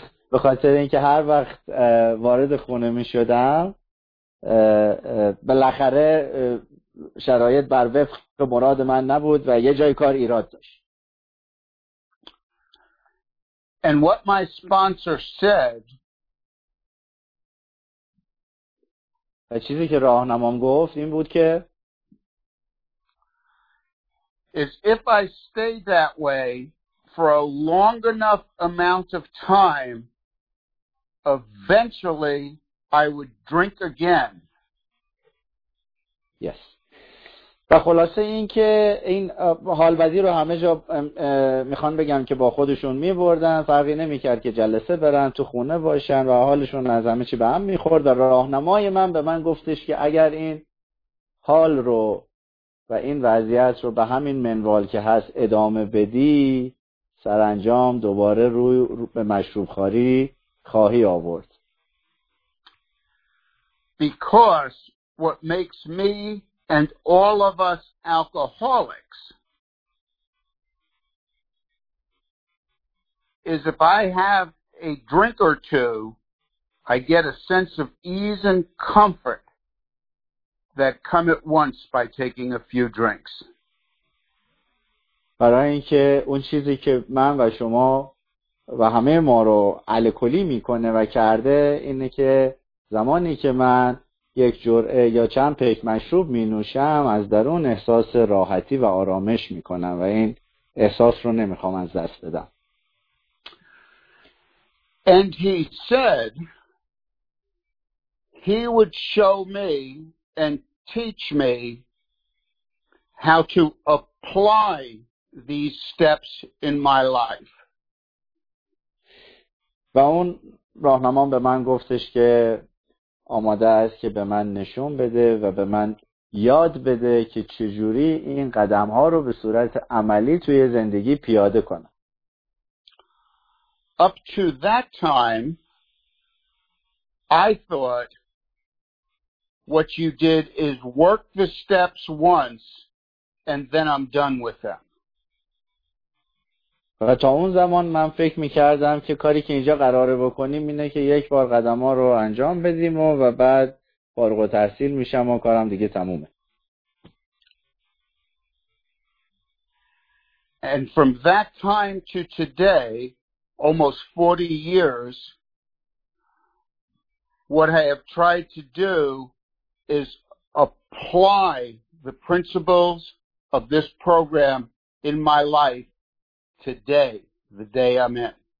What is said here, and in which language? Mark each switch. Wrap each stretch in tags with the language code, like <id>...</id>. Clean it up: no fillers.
<fa>به خاطر اینکه هر وقت وارد خونه می شدم بالاخره شرایط بر وفق مراد من نبود و یه جای کار ایراد داشت.</fa> <en>And what my sponsor said,</en> <fa>چیزی که راهنمام گفت این بود که</fa> <en>is if I stay that way for a long enough amount of time, eventually I would drink again. Yes.</en> <fa>و خلاصه این که این حال بدی رو همه جا میخوان بگم که با خودشون میبردن، فرقی نمیکرد که جلسه برن، تو خونه باشن و حالشون از همه چی به هم میخورد. راهنمای من به من گفتش که اگر این حال رو و این وضعیت رو به همین منوال که هست ادامه بدی، سرانجام دوباره روی به مشروب خاری خواهی آورد.</fa> <en>Because what makes me and all of us alcoholics is if I have a drink or two, I get a sense of ease and comfort that come at once by taking a few drinks.</en> <fa>برای اینکه اون چیزی که من و شما و همه ما رو الکلی میکنه و کرده اینه که زمانی که من یک جرعه یا چند پیک مشروب مینوشم از درون احساس راحتی و آرامش میکنم و این احساس رو نمیخوام از دست بدم.</fa> <en>And he said he would show me and teach me how to apply these steps in my life.</en> <fa>و اون راهنمام به من گفتش که آماده است که به من نشون بده و به من یاد بده که چجوری این قدم ها رو به صورت عملی توی زندگی پیاده کنم.</fa> <en>Up to that time I thought what you did is work the steps once and then I'm done with them.</en> <fa>و تا اون زمان من فکر میکردم که کاری که اینجا قراره بکنیم اینه که یک بار قدم ها رو انجام بدیم و بعد فارغ التحصیل میشم و کارم دیگه تمومه.</fa> <en>And from that time to today, almost 40 years, what I have tried to do is apply the principles of this program in my life today, the day I'm in.</en>